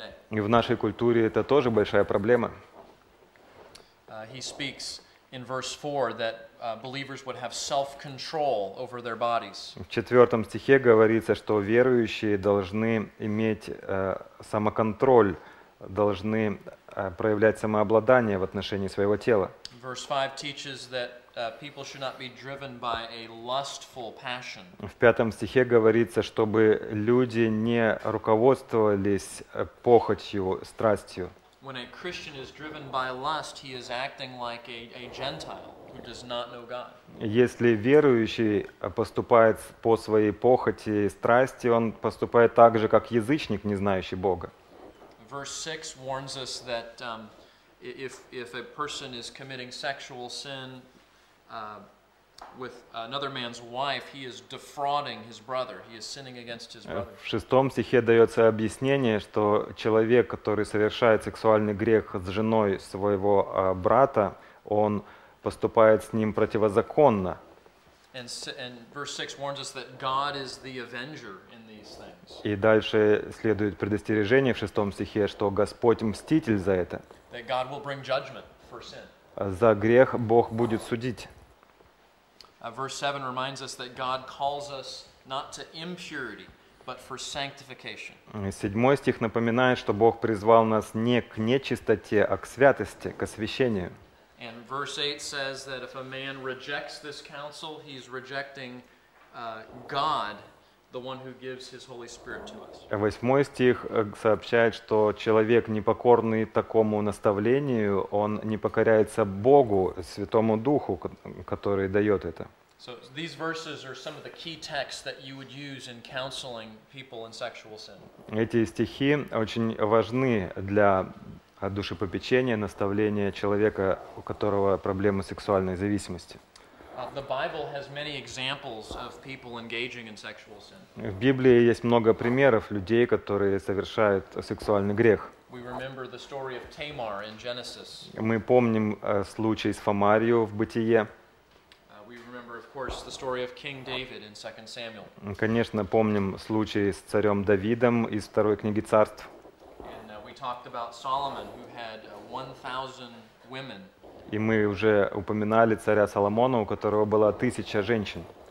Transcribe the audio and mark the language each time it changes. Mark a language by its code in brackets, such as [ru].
[ru] И в нашей культуре это тоже большая проблема. [en] He speaks in verse 4 that believers would have self-control over their bodies. [ru] В 4 стихе говорится, что верующие должны иметь самоконтроль, должны проявлять самообладание в отношении своего тела. [en] Verse 5 teaches that people should not be driven by a lustful passion. [ru] В пятом стихе говорится, чтобы люди не руководствовались похотью, страстью. [en] When a Christian is driven by lust, he is acting like a Gentile who does not know God. [ru] Если верующий поступает по своей похоти и страсти, он поступает так же, как язычник, не знающий Бога. [en] Verse 6 warns us that if a person is committing sexual sin with another man's wife, he is defrauding his brother. He is sinning against his brother. [ru] В шестом стихе дается объяснение, что человек, который совершает сексуальный грех с женой своего брата, он поступает с ним противозаконно. [en] And verse 6 warns us that God is the avenger in these things. [ru] И дальше следует предостережение в шестом стихе, что Господь мститель за это. [en] That God will bring judgment for sin. [ru] За грех Бог будет судить. [en] Verse 7 reminds us that God calls us not to impurity, but for sanctification. [ru] Седьмой стих напоминает, что Бог призвал нас не к нечистоте, а к святости, к освящению. [en] And verse 8 says that if a man rejects this counsel, he's rejecting God, the one who gives his Holy Spirit to us. [ru] Восьмой стих сообщает, что человек, непокорный такому наставлению, он не покоряется Богу, Святому Духу, который дает это. [en] So these verses are some of the key texts that you would use in counseling people in sexual sin. [ru] Эти стихи очень важны для душепопечения, наставления человека, у которого проблемы сексуальной зависимости. [en] The Bible has many examples of people engaging in sexual sin. [ru] В Библии есть много примеров людей, которые совершают сексуальный грех. [en] We remember the story of Tamar in Genesis. [ru] Мы помним случай с Фамарию в Бытие. [en] We remember, of course, the story of King David in 2 Samuel. [ru] Конечно, помним случай с царем Давидом из Второй книги Царств. [en] And we talked about Solomon, who had 1,000 women. [ru] И мы уже упоминали царя Соломона, у которого была 1,000 женщин.